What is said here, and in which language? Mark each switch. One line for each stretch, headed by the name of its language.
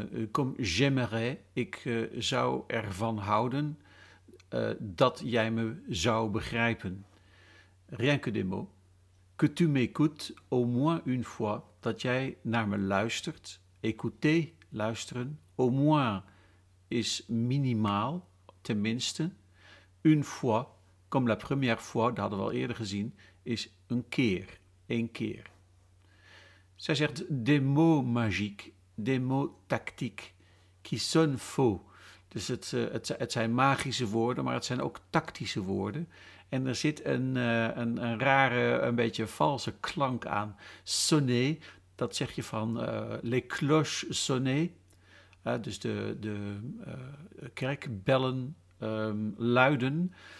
French: Comme j'aimerais,
Dutch: ik zou ervan houden dat jij me zou begrijpen.
French: Rien que des mots. Que tu m'écoutes au moins une fois,
Dutch: dat jij naar me luistert. Écouter, luisteren.
French: Au moins
Dutch: is minimaal, tenminste. Une fois,
French: comme la première fois,
Dutch: dat hadden we al eerder gezien, is een keer, één keer. Zij zegt
French: des mots magiques. Des mots tactiques qui sonnent faux.
Dutch: Dus het zijn magische woorden, maar het zijn ook tactische woorden. En er zit een rare, een beetje valse klank aan. Sonner, dat zeg je van
French: les cloches sonner.
Dutch: Dus de kerkbellen luiden.